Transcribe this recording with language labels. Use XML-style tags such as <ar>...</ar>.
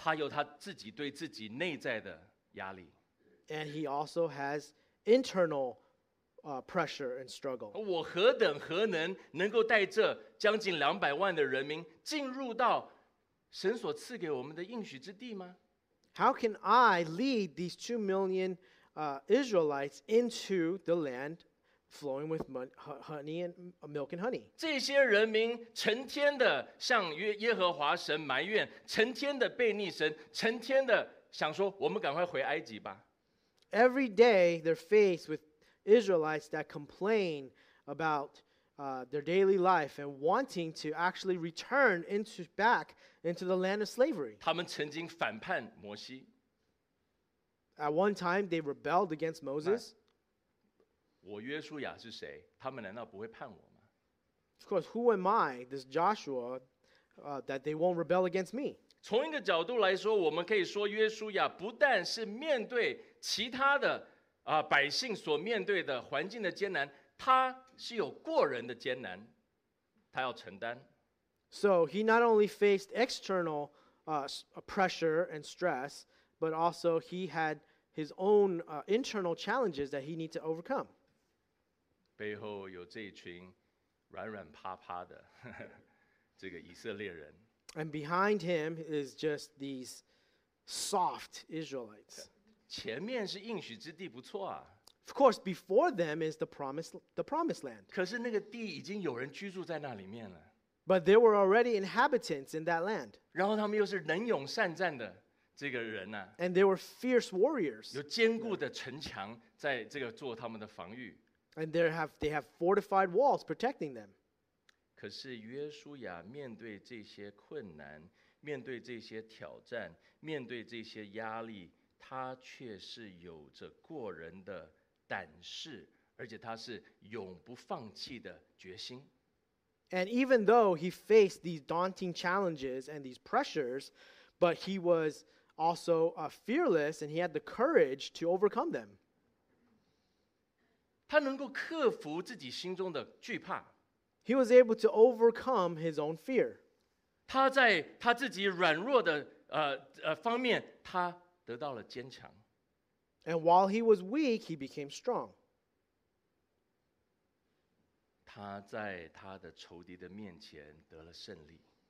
<zh>他有他自己对自己内在的压力。</zh> <en>And he also has internal pressure and struggle.</en> <zh>我何等何能能够带这将近200万的人民进入到神所赐给我们的应许之地吗？</zh> <en>How can I lead these 2 million Israelites into the land flowing with honey and milk and honey?</en> <zh>这些人民成天的向耶和华神埋怨，成天的背逆神，成天的想说我们赶快回埃及吧。</zh> <en>Every day they're faced with Israelites that complain about their daily life and wanting to actually return back into the land of slavery.</en> <zh>他们曾经反叛摩西。</zh> <en>At one time, they rebelled against Moses.</en> <zh>我约书亚是谁？他们难道不会叛我吗？</zh> <en>Of course, who am I, this Joshua, that they won't rebel against me?</en> <zh>从一个角度来说，我们可以说约书亚不但是面对其他的百姓所面对的环境的艰难，他是有过人的艰难，他要承担。</zh> <en>So he not only faced external pressure and stress, but also he had his own internal challenges that he needed to overcome.</en> <zh>背后有这一群软软趴趴的这个以色列人。</zh> <en>And behind him is just these soft Israelites.</en> <zh>前面是应许之地不错啊。</zh> <en>Of course, before them is the promised land.</en> <zh>可是那个地已经有人居住在那里面了。</zh> <en>But there were already inhabitants in that land.</en> <zh>然后他们又是能勇善战的这个人啊。</zh> <en>And they were fierce warriors.</en> <zh>有坚固的城墙在这个做他们的防御。</zh> <en>And they have fortified walls protecting them.</en> <zh>可是约书亚面对这些困难，面对这些挑战，面对这些压力，他却是有着过人的胆识，而且他是永不放弃的决心。</zh> <en>And even though he faced these daunting challenges and these pressures, but he was also fearless and he had the courage to overcome them.</en> <zh>他能够克服自己心中的惧怕。</zh> <en>He was able to overcome his own fear.</en> <zh>他在他自己软弱的方面，他得到了坚强。</zh> <en>And while he was weak, he became strong.</en> <zh>他在他的仇敌的面前得了胜利。</zh>